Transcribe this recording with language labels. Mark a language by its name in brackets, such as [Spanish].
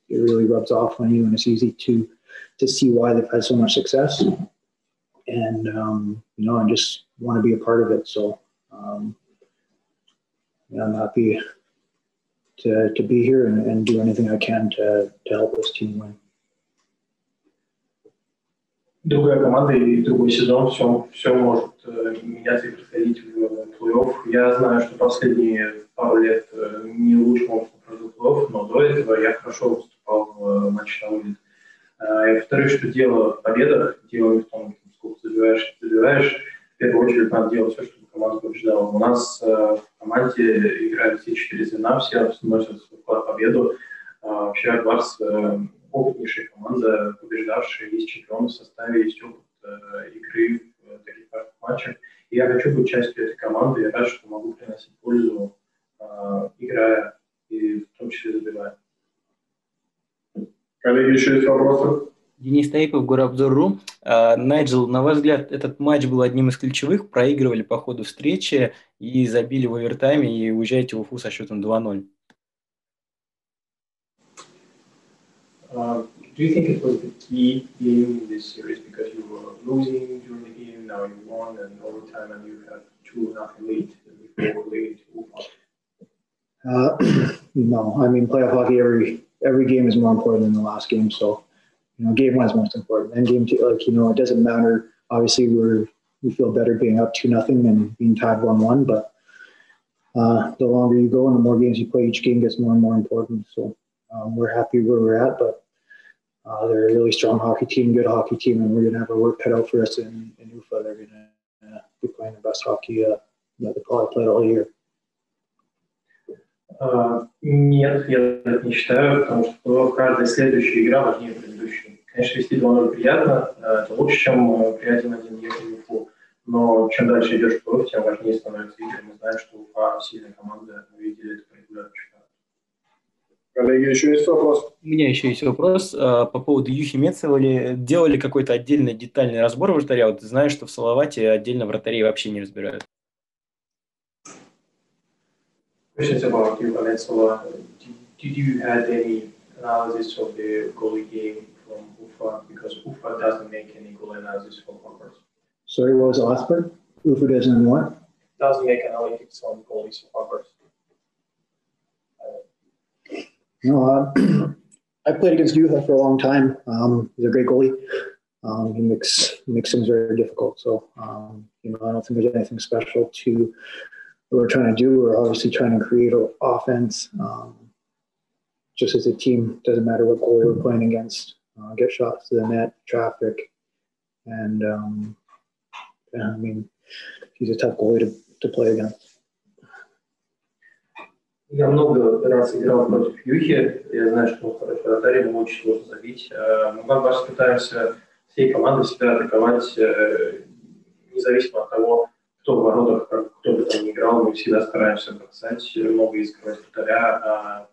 [English] It really rubs off on you, and it's easy to see why they've had so much success. And, you know, I just want to be a part of it. So, you know, I'm happy to be here and do anything I can to help this team win. [Russian] Другая команда и другой сезон, все может меняться и приходить в плей-офф. Я знаю, что последние пару лет не лучше можно пройти плей-офф, но до этого я хорошо выступал в матче на улице. И во-вторых, что дело в победах, дело не в том, сколько забиваешь. В первую очередь надо делать все, чтобы команда побеждала. У нас в команде играют все четыре звена, все носят свой вклад в победу. Вообще, Барс опытнейшая команда, побеждавшая, есть чемпион в составе, есть опыт игры в таких матчах. И я хочу быть частью этой команды, я рад, что могу приносить пользу, играя и в том числе забивая. Коллеги, еще есть вопросы? Денис Таипов, Горобзор.ру. Найджел, на ваш взгляд, этот матч был одним из ключевых, проигрывали по ходу встречи и забили в овертайме и уезжаете в Уфу со счетом 2-0. [English] Do you think it was the key game in this series because you were losing during the game, now you won and overtime and you had 2-0 lead before you lead to No, I mean, playoff hockey, every game is more important than the last game. So, you know, game one is most important. And game two, like, you know, it doesn't matter. Obviously, we feel better being up 2-0 than being tied 1-1. But the longer you go and the more games you play, each game gets more and more important. So, we're happy where we're at, but they're a really strong hockey team, good hockey team, and we're going to have our work cut out for us in Ufa. They're going to be playing the best hockey that they've probably played all year. [Russian] Нет, я так не считаю, потому что в каждой следующей игре важнее предыдущей. Конечно, вести 2-0 приятно, это лучше, чем при 1-1 ехать в Уфу. Но чем дальше идешь в плей-офф, тем важнее становится игра. Мы знаем, что Уфа сильная команда, мы видели это предыдущее. Коллеги, еще есть вопрос? У меня еще есть вопрос по поводу Юхи Мецева. Делали какой-то отдельный детальный разбор вратаря? Вот ты знаешь, что в Салавате отдельно вратарей вообще не разбирают. [English] Questions about Юха Мецева. Did you have any analysis of the goalie game from Уфа? Because Уфа doesn't make any goalie analysis for Conference. Sorry, what was the last part? Уфа doesn't what? Doesn't make analytics on goalies for Conference. No, I played against Juha for a long time. He's a great goalie. He makes things very difficult. So, you know, I don't think there's anything special to what we're trying to do. We're obviously trying to create an offense. Just as a team, doesn't matter what goalie we're playing against. Get shots to the net, traffic. And, I mean, he's a tough goalie to play against. [Russian] Я много раз играл против Юхи. Я знаю, что он хороший вратарь, ему очень сложно забить. Мы как раз пытаемся всей командой себя атаковать, независимо от того, кто в воротах, кто бы там ни играл, мы всегда стараемся бросать много искрывать вратаря.